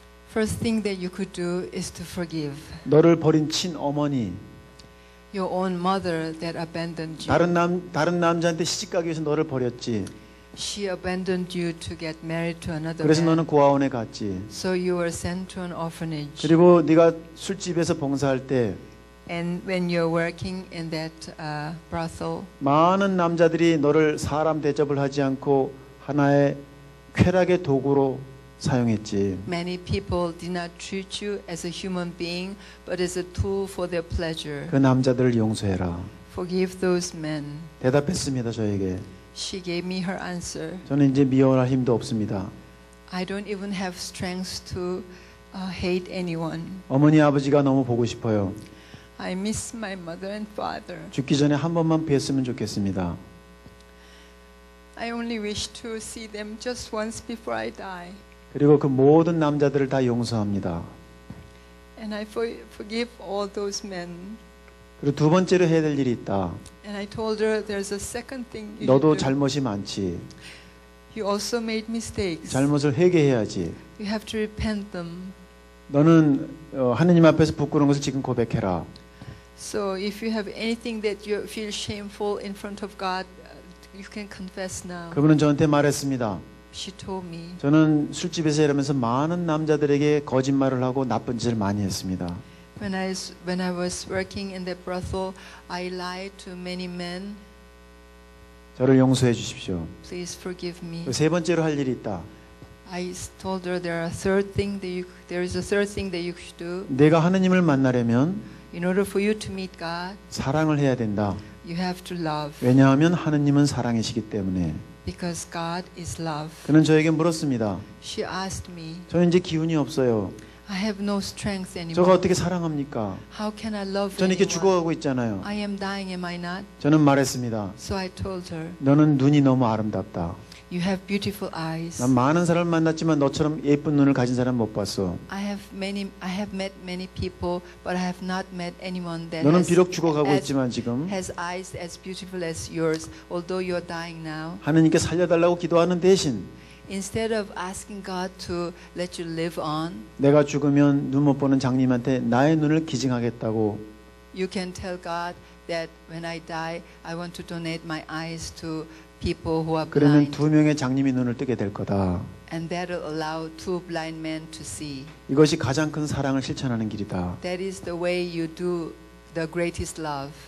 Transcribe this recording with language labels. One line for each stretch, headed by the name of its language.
English: First thing that you could do is to forgive.
Korean: 너를 버린 친어머니.
English: Your own mother that abandoned you.
Korean: 다른 남자한테 시집 가기 위해서 너를 버렸지.
English: She abandoned you to get married to another man.
Korean: 그래서 너는 고아원에 갔지.
English: So you were sent to an orphanage.
Korean: 그리고 네가 술집에서 봉사할 때
English: And when you're working in that brothel.
Korean: 많은 남자들이 너를 사람 대접을 하지 않고 하나의 쾌락의 도구로 사용했지.
English: Many people did not treat you as a human being, but as a tool for their pleasure.
Korean: 그 남자들을 용서해라.
English: Forgive those men.
Korean: 대답했습니다 저에게.
English: She gave me her answer.
Korean: 저는 이제 미워할 힘도 없습니다.
English: I don't even have strength to hate anyone.
Korean: 어머니 아버지가 너무 보고 싶어요.
English: I miss my mother and father.
Korean: 죽기 전에 한 번만 뵀으면 좋겠습니다.
English: I only wish to see them just once before I die.
Korean: 그리고 그 모든 남자들을 다 용서합니다.
English: And I forgive all those men.
Korean: 그리고 두 번째로 해야 될 일이 있다.
English: And I told her there's a second thing you
Korean: 너도 잘못이 많지.
English: You also made mistakes.
Korean: 잘못을 회개해야지.
English: You have to repent them.
Korean: 너는 하느님 앞에서 부끄러운 것을 지금 고백해라.
English: So if you have anything that you feel shameful in front of God, you can confess now.
Korean: 그분은 저한테 말했습니다.
English: She told me.
Korean: 저는 술집에서 이러면서 많은 남자들에게 거짓말을 하고 나쁜 짓을 많이 했습니다.
English: When I was working in that brothel, I lied to many men.
Korean: 저를 용서해 주십시오.
English: Please forgive me.
Korean: 세 번째로 할 일이 있다.
English: I told her there is a third thing that you should do.
Korean: 내가 하느님을 만나려면
English: In order for you to meet God,
Korean: 사랑을 해야 된다.
English: You have to love.
Korean: 왜냐하면 하느님은 사랑이시기 때문에.
English: Because God is love.
Korean: 그는 저에게 물었습니다.
English: She asked me.
Korean: 저는 이제 기운이 없어요.
English: I have no strength anymore.
Korean: 저가 어떻게 사랑합니까?
English: How can I love?
Korean: 저는 이렇게 죽어가고 있잖아요.
English: I am dying, am I not?
Korean: 저는 말했습니다.
English: So I told her.
Korean: 너는 눈이 너무 아름답다.
English: You have beautiful eyes.
Korean: 난 많은 사람을 만났지만 너처럼 예쁜 눈을 가진 사람 못 봤어.
English: I have met many people, but I have not met anyone that
Korean: 너는 비록 죽어가고 있지만 지금
English: has eyes as beautiful as yours, although you're dying now.
Korean: 하느님께 살려달라고 기도하는 대신
English: instead of asking God to let you live on,
Korean: 내가 죽으면 눈 못 보는 장님한테 나의 눈을 기증하겠다고.
English: You can tell God that when I die, I want to donate my eyes to.
Korean: 그러면 두 명의 장님이 눈을 뜨게 될 거다.
English: And that'll allow two blind men to see.
Korean: 이것이 가장 큰 사랑을 실천하는 길이다.
English: That is the way you do the greatest love.